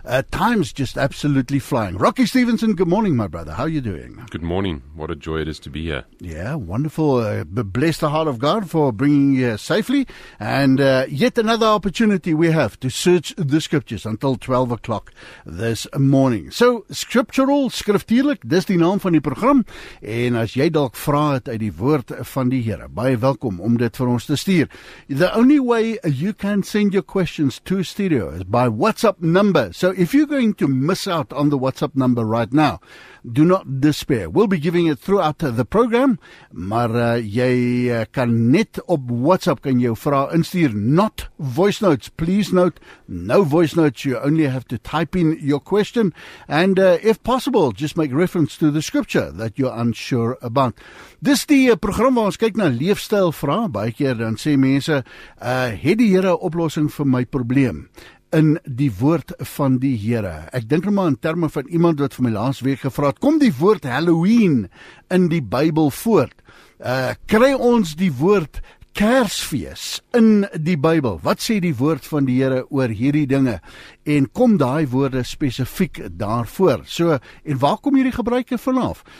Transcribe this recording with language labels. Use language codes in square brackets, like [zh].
[en] Time's just absolutely flying. Rocky Stevenson, good morning, my brother. How are you doing? Good morning. What a joy it is to be here. Yeah, wonderful. Bless the heart of God for bringing you safely. And yet another opportunity we have to search the scriptures until 12 o'clock this morning. [af] So, scriptural, skriftuurlik, dis die naam van die program. En as jy dalk vra het uit die woord van die Here, baie welkom om dit vir ons te stuur. [en] The only way you can send your questions to studio is by WhatsApp number. So if you're going to miss out on the WhatsApp number right now, do not despair. We'll be giving it throughout the program. [af] Maar jy kan net op WhatsApp kan jou vrae instuur. [en] Not voice notes. Please note, no voice notes. You only have to type in your question. And if possible, just make reference to the scripture that you're unsure about. [af] Dis die program waar ons kyk na leefstyl vrae. Baie keer dan sê mense, het die Here 'n oplossing vir my probleem? In die woord van die Here. Ek dink nou maar in terme van iemand wat vir my laas week gevra het, kom die woord Halloween in die Bybel voort? Kry ons die woord Kersfees in die Bybel? Wat sê die woord van die Here oor hierdie dinge? En kom daai woorde spesifiek daarvoor? So, en waar kom hierdie gebruike vanaf?